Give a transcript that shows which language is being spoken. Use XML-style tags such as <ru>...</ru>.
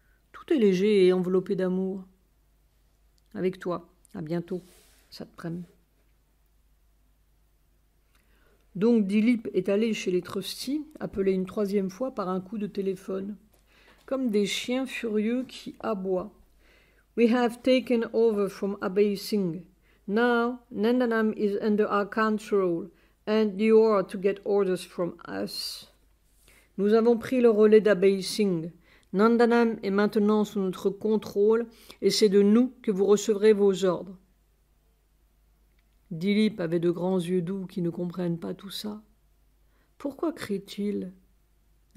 <fr>Tout est léger et enveloppé d'amour. Avec toi, à bientôt, ça te prême. Donc Dilip est allé chez les Trustees, appelé une troisième fois par un coup de téléphone. Comme des chiens furieux qui aboient.</fr> <en>We have taken over from Abbey Singh. Now Nandanam is under our control and you are to get orders from us.</en> <fr>Nous avons pris le relais d'Abbey Singh. Nandanam est maintenant sous notre contrôle et c'est de nous que vous recevrez vos ordres. Dilip avait de grands yeux doux qui ne comprennent pas tout ça. Pourquoi crie-t-il ?</fr>